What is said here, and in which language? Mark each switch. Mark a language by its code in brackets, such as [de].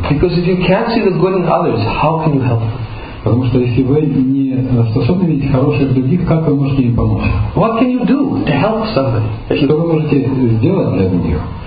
[en] Because if you can't see the good in others, how can you help them? [ru] Потому что если вы не способны видеть хорошее в других, как вы можете им помочь? [en] What can you do to help somebody? [ru] Что вы можете сделать для других?